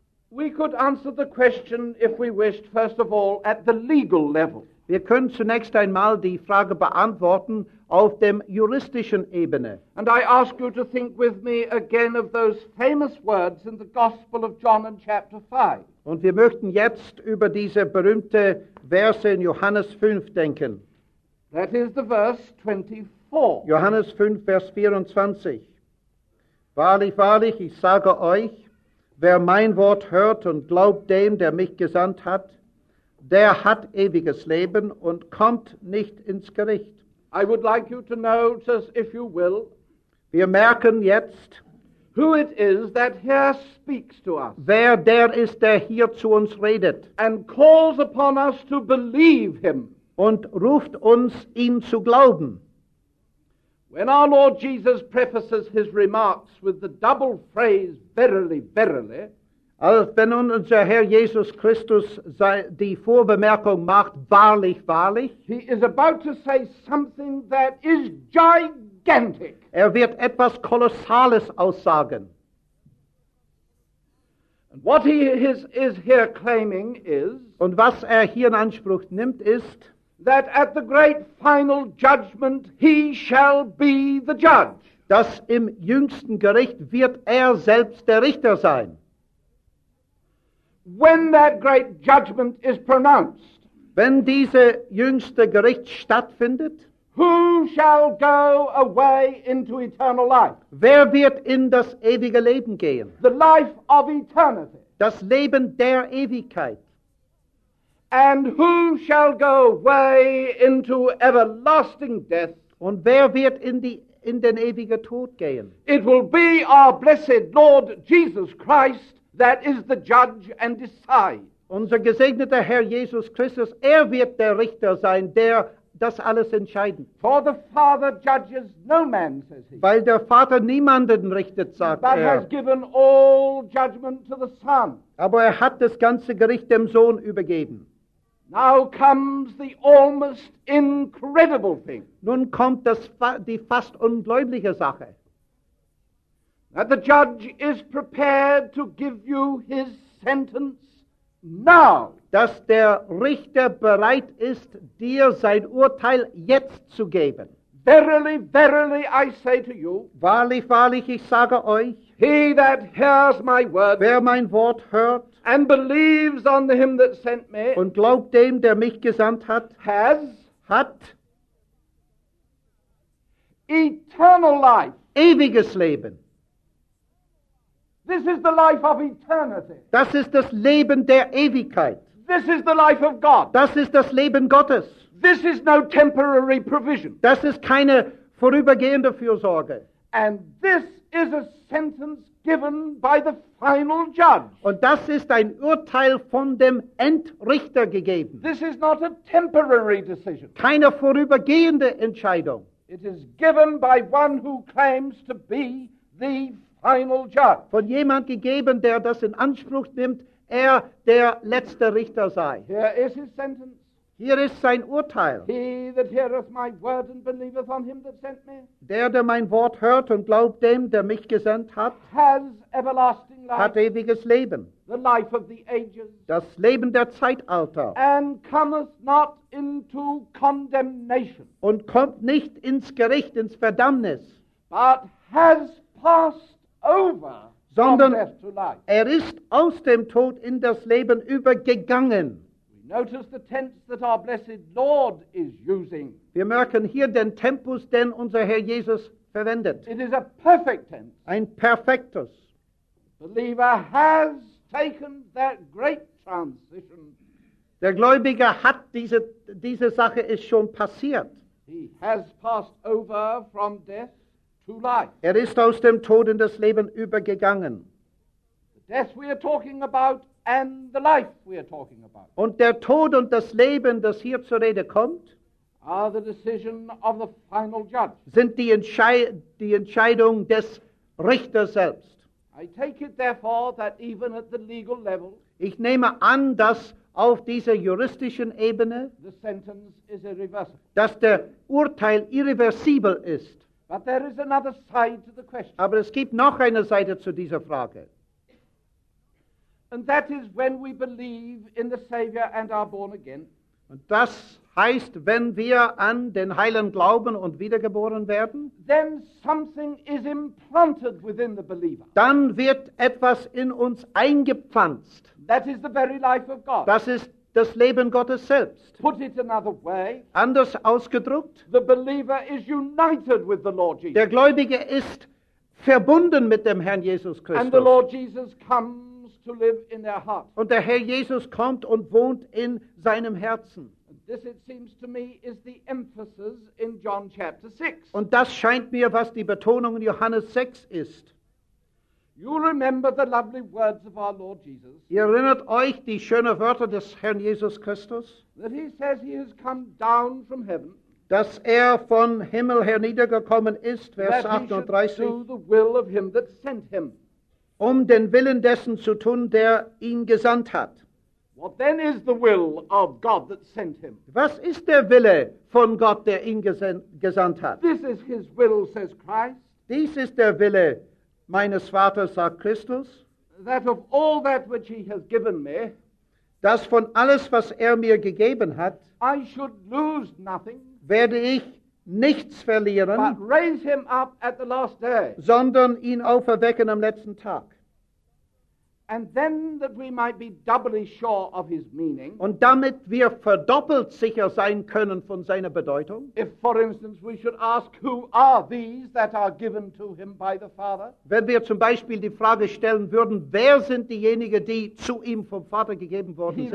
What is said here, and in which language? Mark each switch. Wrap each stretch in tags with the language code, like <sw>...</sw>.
<en>We could answer the question, if we wished, first of all, at the legal level.</en> <de>Wir können zunächst einmal die Frage beantworten auf dem juristischen Ebene.</de> <en>And I ask you to think with me again of those famous words in the Gospel of John in chapter 5.</en> <de>Und wir möchten jetzt über diese berühmte Verse in Johannes 5 denken.</de> <en>That is the verse 24.</en> <de>Johannes 5, Vers 24. Wahrlich, wahrlich, ich sage euch, wer mein Wort hört und glaubt dem, der mich gesandt hat, der hat ewiges Leben und kommt nicht ins Gericht.</de> <en>I would like you to know, if you will,</en> <de>wir merken jetzt,</de> <en>who it is that here speaks to us,</en> <de>wer der ist, der hier zu uns redet,</de> <en>and calls upon us to believe him,</en> <de>und ruft uns, ihm zu glauben.</de> <en>When our Lord Jesus prefaces his remarks with the double phrase, verily, verily,</en> <de>als wenn unser Herr Jesus Christus die Vorbemerkung macht, wahrlich, wahrlich,</de> <en>he is about to say something that is gigantic.</en> <de>Er wird etwas Kolossales aussagen.</de> <en>And what he is here claiming is,</en> <de>und was er hier in Anspruch nimmt, ist,</de> <en>that at the great final judgment he shall be the judge.</en> <de>Dass im jüngsten Gericht wird er selbst der Richter sein.</de> <en>When that great judgment is pronounced,</en> <de>wenn diese jüngste Gericht stattfindet,</de> <en>who shall go away into eternal life?</en> <de>Wer wird in das ewige Leben gehen?</de> <en>The life of eternity.</en> <de>Das Leben der Ewigkeit.</de> <en>And who shall go away into everlasting death?</en> <de>Und wer wird in den ewigen Tod gehen?</de> <en>It will be our blessed Lord Jesus Christ that is the judge and decide.</en> <de>Unser gesegneter Herr Jesus Christus, er wird der Richter sein, der das alles entscheiden.</de> <en>For the Father judges no man, says he.</en> <de>Weil der Vater niemanden richtet, sagt</de> <en>but</en> <de>er.</de> <en>Has given all judgment to the Son.</en> <de>Aber er hat das ganze Gericht dem Sohn übergeben.</de> <en>Now comes the almost incredible thing.</en> <de>Nun kommt die fast ungläubliche Sache.</de> <en>That the judge is prepared to give you his sentence now.</en> <de>Dass der Richter bereit ist, dir sein Urteil jetzt zu geben.</de> <en>Verily, verily, I say to you.</en> <de>Wahrlich, wahrlich, ich sage euch.</de> <en>He that hears my word,</en> <de>wer mein Wort hört,</de> <en>and believes on him that sent me,</en> <de>und glaubt dem, der mich gesandt hat,</de> <en>hat eternal life,</en> <de>ewiges Leben.</de> <en>This is the life of eternity.</en> <de>Das ist das Leben der Ewigkeit.</de> <en>This is the life of God.</en> <de>Das ist das Leben Gottes.</de> <en>This is no temporary provision.</en> <de>Das ist keine vorübergehende Fürsorge.</de> <en>And this is a sentence given by the final judge.</en> <de>Und das ist ein Urteil von dem Endrichter gegeben.</de> <en>This is not a temporary decision.</en> <de>Keine vorübergehende Entscheidung.</de> <en>It is given by one who claims to be the final judge.</en> <de>Von jemand gegeben, der das in Anspruch nimmt, er der letzte Richter sei.</de> <en>Here is his sentence.</en> <de>Hier ist sein Urteil.</de> <en>He that heareth my word and believeth on him that sent me,</en> <de>der mein Wort hört und glaubt dem, der mich gesandt hat,</de> <en>has everlasting life,</en> <de>hat ewiges Leben,</de> <en>the life of the ages,</en> <de>das Leben der Zeitalter,</de> <en>and cometh not into condemnation,</en> <de>und kommt nicht ins Gericht, ins Verdammnis,</de> <en>but has passed over,</en> <de>sondern</de> <en>from death to life.</en> <de>Er ist aus dem Tod in das Leben übergegangen.</de> <en>Notice the tense that our blessed Lord is using.</en> <de>Wir merken hier den Tempus, den unser Herr Jesus verwendet.</de> <en>It is a perfect tense.</en> <de>Ein perfektus.</de> <en>Believer has taken that great transition.</en> <de>Der Gläubige hat diese Sache ist schon passiert.</de> <en>He has passed over from death to life.</en> <de>Ist aus dem Tod in das Leben übergegangen.</de> <en>The death we are talking about and the life we are talking about.</en> <de>Und der Tod und das Leben, das hier zur Rede kommt,</de> <en>are the decision of the final judge.</en> <de>Sind die Entscheidung des Richters selbst.</de> <en>I take it therefore that even at the legal level,</en> <de>ich nehme an, dass auf dieser juristischen Ebene</de> <en>the sentence is irreversible.</en> <de>Dass der Urteil irreversibel ist.</de> <en>But there is another side to the question.</en> <de>Aber es gibt noch eine Seite zu dieser Frage.</de> <en>And that is when we believe in the Savior and are born again.</en> <de>Und das heißt, wenn wir an den Heilen glauben und wiedergeboren werden,</de> <en>then something is implanted within the believer.</en> <de>Dann wird etwas in uns eingepflanzt.</de> <en>That is the very life of God.</en> <de>Das ist das Leben Gottes selbst.</de> <en>Put it another way,</en> <de>anders ausgedrückt,</de> <en>the believer is united with the Lord Jesus.</en> <de>Der Gläubige ist verbunden mit dem Herrn Jesus Christus.</de> <en>And the Lord Jesus comes to live in their heart.</en> <de>Und der Herr Jesus kommt und wohnt in seinem Herzen.</de> <en>This, it seems to me, is the emphasis in John chapter 6.</en> <de>Und das scheint mir, was die Betonung in Johannes 6 ist.</de> <en>You remember the lovely words of our Lord Jesus.</en> <de>Ihr erinnert euch die schönen Wörter des Herrn Jesus Christus.</de> <en>That he says he has come down from heaven.</en> <de>Dass von Himmel her niedergekommen ist, Vers 38.</de> <en>That he should do the will of him that sent him.</en> <de>Den Willen dessen zu tun, der ihn gesandt hat.</de> <en>What then is the will of God that sent him?</en> <de>Was ist der Wille von Gott, der ihn gesandt hat?</de> <en>This is his will, says Christ.</en> <de>Dies ist der Wille meines Vaters, sagt Christus.</de> <en>That of all that which he has given me,</en> <de>dass von alles, was mir gegeben hat,</de> <en>I should lose nothing,</en> <de>werde ich nichts verlieren,</de> <en>but raise him up at the last day,</en> <de>sondern ihn auferwecken am letzten Tag.</de> <en>And then that we might be doubly sure of his meaning.</en> <de>Und damit wir verdoppelt sicher sein können von seiner Bedeutung.</de> <en>If, for instance, we should ask, who are these that are given to him by the Father?</en> <de>Wenn wir zum Beispiel die Frage stellen würden, wer sind diejenigen, die zu ihm vom Vater gegeben worden sind?</de>